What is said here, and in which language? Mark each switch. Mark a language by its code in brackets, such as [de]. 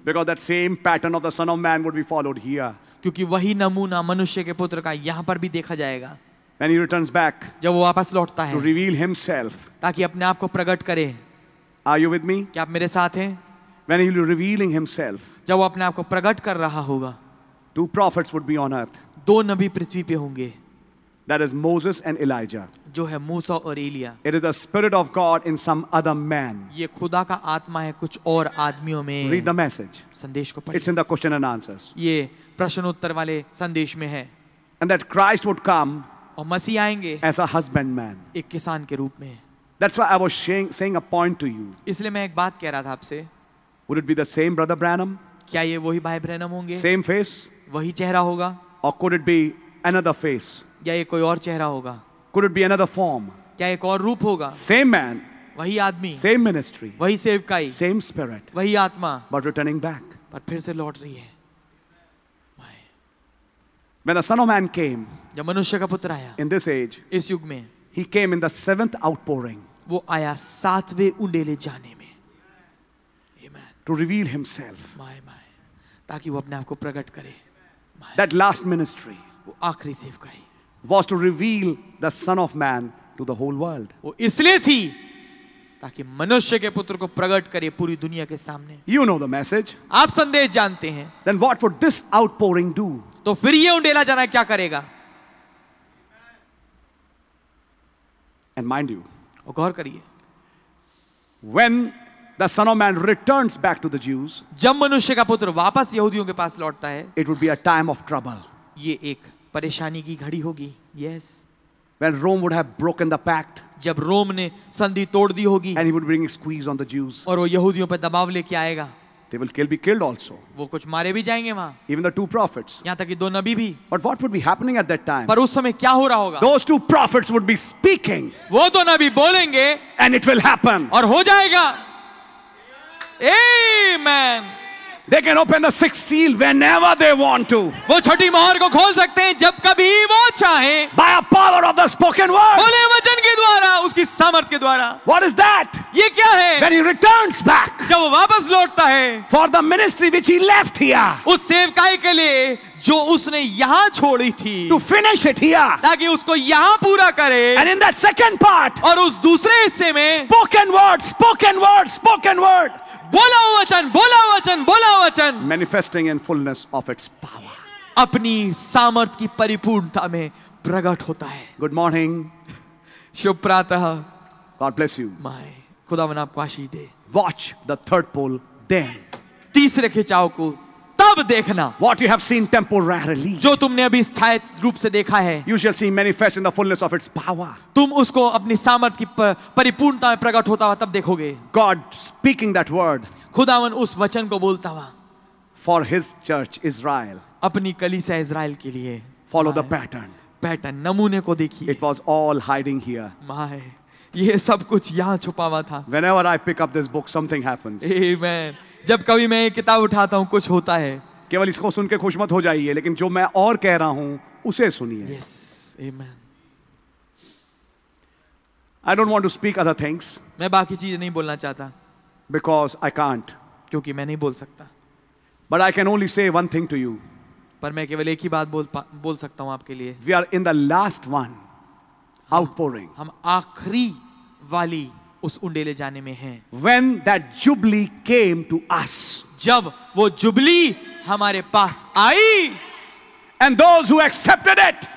[en] Because that same pattern of the Son of Man would be followed here. [hi] क्योंकि वही नमूना मनुष्य के पुत्र का यहां पर भी देखा जाएगा [en] When he returns back. [hi] जब वो वापस लौटता है [en] To reveal himself. [hi] ताकि अपने आप को प्रकट करे [en] Are you with me? [hi] क्या आप मेरे साथ हैं [en] When he will be revealing himself. [hi] जब वो अपने आप को प्रकट कर रहा होगा [en] Two prophets would be on earth. [hi] दो नबी पृथ्वी पे होंगे [en] That is Moses and Elijah. [hi] जो है मूसा और Elia. [en] It is the spirit of God in some other man. [hi] ये खुदा का आत्मा है कुछ और आदमियों में. [en] Read the message. [hi] संदेश को पढ़ें. [en] It's in the question and answers. [hi] ये प्रश्न उत्तर वाले संदेश में है. [en] And that Christ would come. [hi] और मसीह आएंगे. [en] As a husbandman. [hi] एक किसान के रूप में. [en] That's why I was saying a point to you. [hi] इसलिए मैं एक बात कह रहा था आपसे. [en] Would it be the same brother Branham? [hi] क्या ये वही भाई ब्रैनम होंगे? [en] Same face? [hi] वही चेहरा होगा? [en] Or could it be another face? [hi] क्या ये कोई और चेहरा होगा? [en] Could it be another form? [hi] क्या एक और रूप होगा? [en] Same man. [hi] वही आदमी. [en] Same ministry. [hi] वही सेवकाई. [en] Same spirit. [hi] वही आत्मा. [en] But returning back. [hi] पर फिर से लौट रही है. [en] My. When the Son of Man came. [hi] जब मनुष्य का पुत्र आया. [en] In this age. [hi] इस युग में. [en] He came in the 7th outpouring. [hi] वो आया सातवें उंडेले जाने में. [en] Amen. To reveal himself. My my. [hi] ताकि वो अपने आप को प्रकट करे. [en] My. That last ministry. [hi] वो आखिरी सेवकाई. [en] Was to reveal the Son of Man to the whole world. [hi] वो इसलिए थी ताकि मनुष्य के पुत्र को प्रकट करे पूरी दुनिया के सामने. [en] You know the message. [hi] आप संदेश जानते हैं. [en] Then what would this outpouring do? [hi] तो फिर ये उंडेला जाना क्या करेगा? [en] And mind you. [hi] और गौर करिए. [en] When the Son of Man returns back to the Jews. [hi] जब मनुष्य का पुत्र वापस यहूदियों के पास लौटता है. [en] It would be a time of trouble. [hi] ये एक परेशानी की घड़ी होगी yes. [en] When Rome would have broken the pact, [hi] जब रोम ने संधि तोड़ दी होगी [en] and he would bring a squeeze on the Jews. [hi] और वो यहूदियों पर दबाव लेके आएगा [en] they will kill, be killed also. [hi] वो कुछ मारे भी जाएंगे वहां [en] even the two prophets. [hi] यहां तक कि दो नबी भी [en] But what would be happening at that time? [hi] पर उस समय क्या हो रहा होगा [en] Those two prophets would be speaking. [hi] वो दो नबी बोलेंगे [en] and it will happen. [hi] और हो जाएगा Amen. [en] They can open the sixth seal whenever they want to. [hi] वो छठी मोहर को खोल सकते हैं जब कभी वो चाहें. [en] By the power of the spoken word. [hi] बोले वचन के द्वारा, उसकी सामर्थ के द्वारा. [en] What is that? [hi] ये क्या है? [en] When he returns back. [hi] जब वो वापस लौटता है. [en] For the ministry which he left here. [hi] उस सेवकाई के लिए जो उसने यहाँ छोड़ी थी. [en] To finish it here. [hi] ताकि उसको यहाँ पूरा करे. [en] And in that second part. [hi] और उस दूसरे हिस्से में. [en] Spoken word, spoken word, spoken word. [hi] बोला वचन बोला वचन बोला वचन [en] manifesting in fullness of its power [hi] अपनी सामर्थ की परिपूर्णता में प्रकट होता है [en] good morning [hi] शुभ प्रातः [en] God bless you [hi] माय खुदावन आपको आशीष दे [en] watch the third pull then [hi] तीसरे खिंचाव को तब देखना [en] what you have seen temporarily [hi] जो तुमने अभी स्थायी रूप से देखा है [en] you shall see manifest in the fullness of its power [hi] तुम उसको अपनी सामर्थ्य की परिपूर्णता में प्रकट होता हुआ तब देखोगे [en] god speaking that word [hi] खुदावन उस वचन को बोलता हुआ [en] for his church israel [hi] अपनी कलीसिया इजराइल के लिए [en] follow the pattern [hi] पैटर्न नमूने को देखिए [en] it was all hiding here [hi] my ये सब कुछ यहां छुपा हुआ था [en] whenever I pick up this book something happens [hi] amen जब कभी मैं किताब उठाता हूँ कुछ होता है केवल इसको सुन के खुश मत हो जाइए लेकिन जो मैं और कह रहा हूं उसे सुनिए [en] yes amen I don't want to speak other things [hi] मैं बाकी चीजें नहीं बोलना चाहता [en] because I can't [hi] क्योंकि मैं नहीं बोल सकता [en] but I can only say one thing to you [hi] पर मैं केवल एक ही बात बोल सकता हूं आपके लिए [en] we are in the last one outpouring [hi] हम आखिरी वाली उस उंडेले जाने में हैं [en] when that jubilee came to us [hi] जब वो जुबली हमारे पास आई [en] and those who accepted it